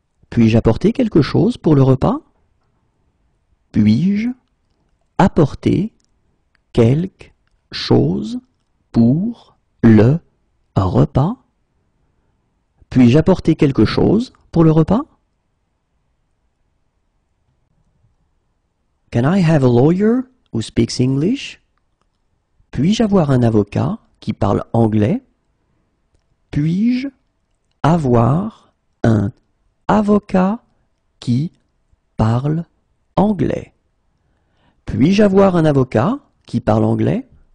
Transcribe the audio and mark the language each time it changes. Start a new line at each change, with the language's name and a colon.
French: Puis-je apporter quelque chose pour le repas? Puis-je apporter quelque chose pour le Un repas? Puis-je apporter quelque chose pour le repas?
English: Can I have a lawyer who speaks English?
French: Puis-je avoir un avocat qui parle anglais? Puis-je avoir un avocat qui parle anglais? Puis-je avoir un avocat qui parle anglais?